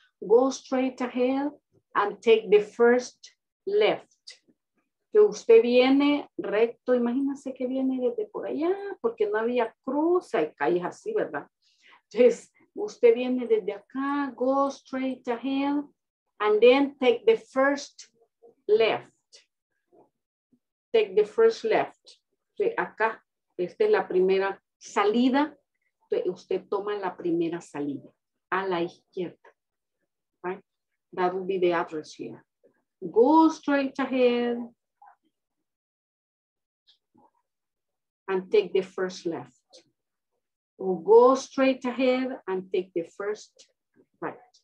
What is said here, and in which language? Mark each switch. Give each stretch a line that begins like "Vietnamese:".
English: Go straight ahead and take the first left.
Spanish: Que usted viene recto. Imagínese que viene desde por allá porque no había cruz. Hay calles así, ¿verdad? Entonces, usted viene desde acá,
English: go straight ahead, and then take the first left. Take the first left.
Spanish: Acá, esta es la primera salida. Usted toma la primera salida, a la izquierda.
English: Right? That would be the address here. Go straight ahead, and take the first left. Or go straight ahead and take the first right.